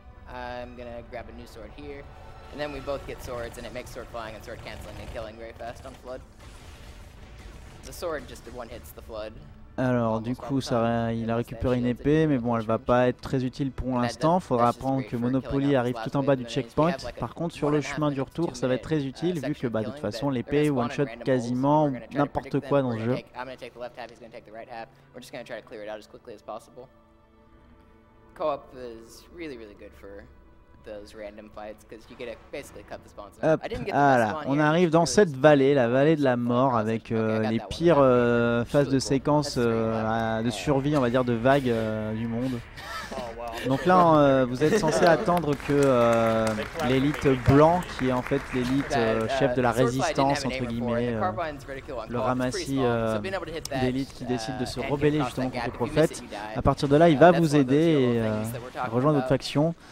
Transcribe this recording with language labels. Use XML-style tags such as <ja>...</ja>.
<en>I'm gonna grab a new sword here, and then we both get swords, and it makes sword flying and sword canceling and killing very fast on flood. The sword just one hits the flood.</en> <fr>Alors du coup, il a récupéré une épée, mais bon, elle va pas être très utile pour l'instant. Faudra apprendre que Monopoly arrive tout en bas du checkpoint. Par contre, sur le chemin du retour, ça va être très utile, vu que de toute façon, l'épée one shot quasiment n'importe quoi dans le jeu.</fr> <en>I'm gonna take the left half. He's gonna take the right half. We're just gonna try to clear it out as quickly as possible. Co-op is really really good for those random fights because you get to basically cut the spawns.</en> <fr>Hop, voilà, on arrive dans cette vallée, la vallée de la mort, avec les pires phases de séquence de survie, on va dire, de vagues du monde. Donc là, vous êtes censé attendre que l'élite blanc, qui est en fait l'élite chef de la résistance, entre guillemets, le ramassis d'élite qui décide de se rebeller justement contre le prophète, à partir de là, il va vous aider et rejoindre votre faction.</fr>